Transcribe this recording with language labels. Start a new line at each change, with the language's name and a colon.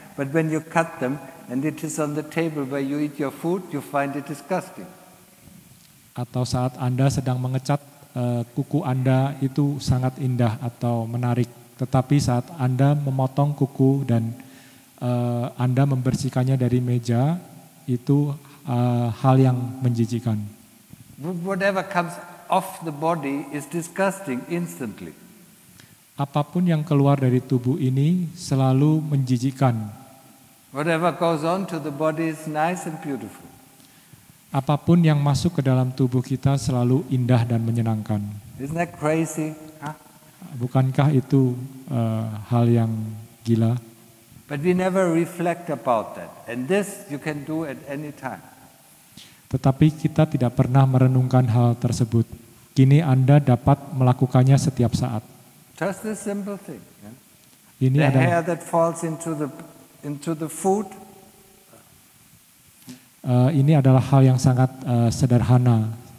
English: But when you cut them and it is on the table where you eat your food, you find it disgusting.
Indonesian: Atau saat Anda sedang mengecat kuku Anda itu sangat indah atau menarik. Tetapi saat Anda memotong kuku dan Anda membersihkannya dari meja, itu hal yang menjijikkan.
English: Whatever comes off the body is disgusting instantly.
Indonesian: Apapun yang keluar dari tubuh ini selalu menjijikkan.
English: Whatever goes on to the body is nice and beautiful.
Indonesian: Apapun yang masuk ke dalam tubuh kita selalu indah dan menyenangkan.
English: Isn't that crazy? Huh?
Indonesian: Bukankah itu hal yang gila?
English: But we never reflect about that. And this you can do at any time.
Indonesian: Tetapi kita tidak pernah merenungkan hal tersebut. Kini Anda dapat melakukannya setiap saat.
English: Just this simple thing. Yeah?
Indonesian: Ini
English: the hair that falls into the food.
Indonesian: Ini adalah hal yang sangat sederhana.